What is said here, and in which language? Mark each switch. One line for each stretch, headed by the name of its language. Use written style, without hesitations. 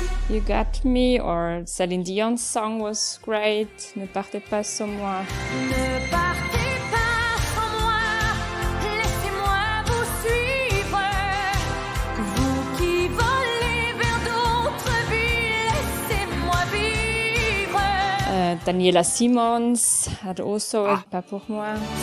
English: You Got Me, or Celine Dion's song was great.
French: Ne partez pas sans moi. Ne partez pas sans moi. Laissez-moi vous suivre. Vous qui volez vers d'autres villes, laissez-moi vivre.
English: Daniela Simons had also Pas pour moi.